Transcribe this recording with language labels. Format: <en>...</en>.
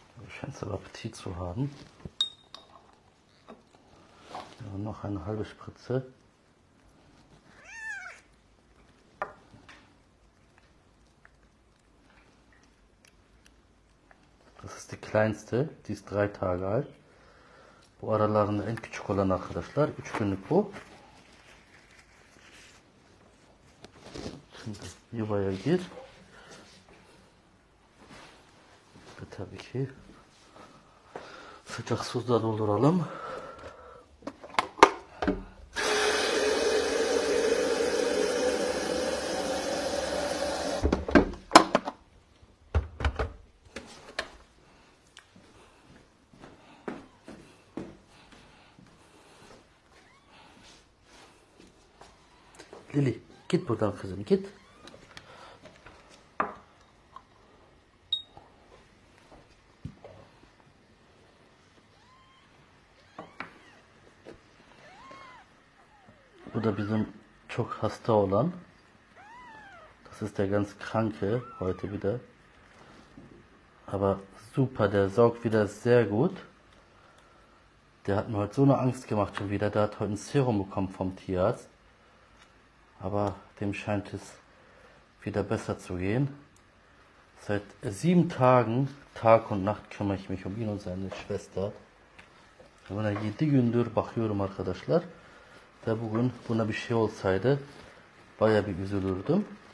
<de>Scheint aber Appetit zu haben. Ja, noch eine halbe Spritze. Das ist die kleinste, die ist 3 Tage alt.</de> <tr>Bu aralarında en küçük olan arkadaşlar 3 günlük bu. Şimdi yuvaya gir. Ve tabii ki sıcak suda dolduralım. Lili, git buradan kızım, git. Bu da bizim çok hasta olan.</tr> <de>Das ist der ganz kranke heute wieder. Aber super, der saugt wieder sehr gut. Der hat mir heute so eine Angst gemacht schon wieder. Der hat heute ein Serum bekommen vom Tierarzt. Aber dem scheint es wieder besser zu gehen. Seit 7 Tagen, Tag und Nacht, kümmere ich mich um ihn und seine Schwester.</de> <tr>Buna 7 gündür bakıyorum arkadaşlar. Ve bugün buna bir şey olsaydı bayağı bir üzülürdüm.</tr>